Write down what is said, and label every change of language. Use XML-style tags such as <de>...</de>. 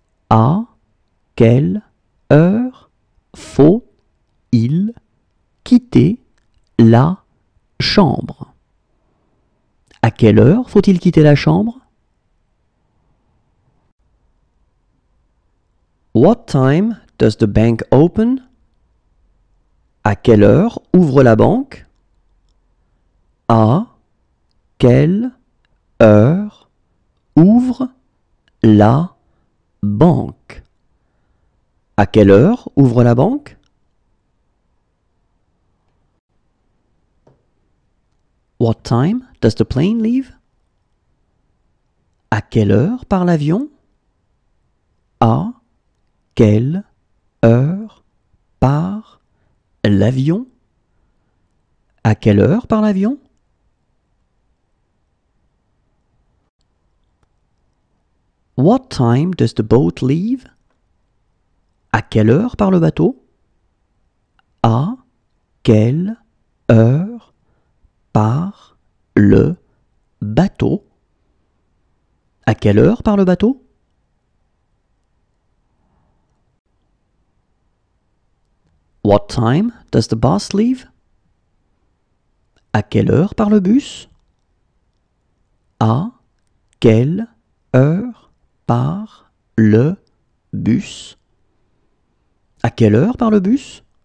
<fr>À quelle heure faut-il quitter la chambre? À quelle heure faut-il quitter la chambre?</fr> <en>What time does the bank open?</en> <fr>À quelle heure ouvre la banque? À quelle heure ouvre la banque? À quelle heure ouvre la banque?</fr> <en>What time does the plane leave?</en> <fr>À quelle heure part l'avion? À quelle heure part l'avion? À quelle heure part l'avion?</fr> <en>What time does the boat leave?</en> <fr>À quelle heure part le bateau? À quelle heure part le bateau? À quelle heure part le bateau?</fr> <en>What time does the bus leave?</en> <fr>À quelle heure part le bus? À quelle heure par le bus? À quelle heure par le bus?</fr>